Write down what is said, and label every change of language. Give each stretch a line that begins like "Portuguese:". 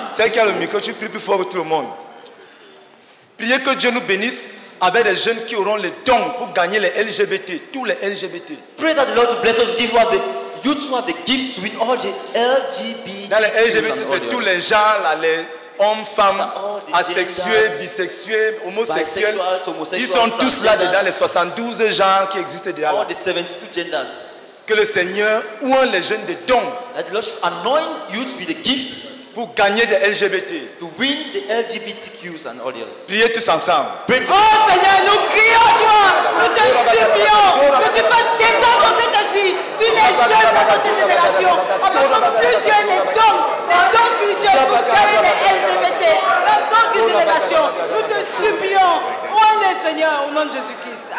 French: Celle qui a le micro, tu pries plus fort que tout le monde. Priez que Dieu nous bénisse avec des jeunes qui auront les dons pour gagner les LGBT, tous les LGBT.
English: Pray that the Lord bless us, give us the youth who have the gifts with all the LGBT.
French: Dans les LGBT, c'est tous les gens, là, les hommes, femmes, asexués, bisexuels, homosexuels. Ils sont tous là dedans, les 72 genres qui existent déjà.
English: All the 72 genders.
French: Que le Seigneur ouvre les jeunes de dons.
English: That the Lord should anoint youth with a gift
French: pour gagner des LGBT.
English: To win the LGBTQs and all the others.
French: Priez tous ensemble. Oh Seigneur, nous crions toi, nous te supplions que tu fasses descendre cet esprit sur les jeunes de notre génération. Afin que plusieurs les dons spirituels pour gagner des LGBT dans notre génération. Nous te supplions. Oh le Seigneur, au nom de Jésus-Christ.